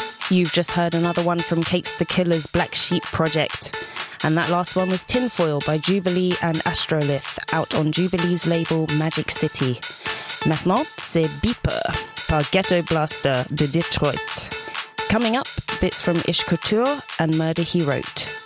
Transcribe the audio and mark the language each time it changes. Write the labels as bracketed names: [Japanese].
[English] You've just heard another one from Kate's The Killers' Black Sheep project. And that last one was Tinfoil by Jubilee and Astrolith, out on Jubilee's label Magic City. [French] Maintenant, c'est Beeper par Ghetto Blaster de Detroit. [English] Coming up, bits from Ish Couture and Murder, He Wrote.